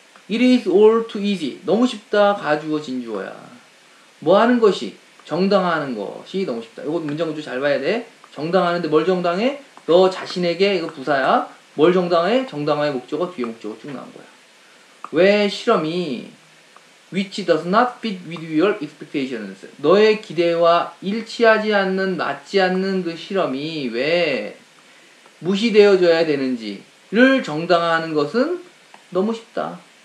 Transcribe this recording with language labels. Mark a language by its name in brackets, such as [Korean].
[English] It is all too easy. [Korean] 너무 쉽다. 가주어 진주어야. 뭐 하는 것이? 정당화하는 것이 너무 쉽다. 이거 문장 구조 잘 봐야 돼. 정당화하는데 뭘 정당해? 너 자신에게 이거 부사야. 뭘 정당해? 정당화의 목적어 뒤에 목적어 쭉 나온 거야. [English] 왜 실험이 which does not fit with your expectations. [Korean] 너의 기대와 일치하지 않는 맞지 않는 그 실험이 왜 무시되어져야 되는지를 정당화하는 것은 너무 쉽다.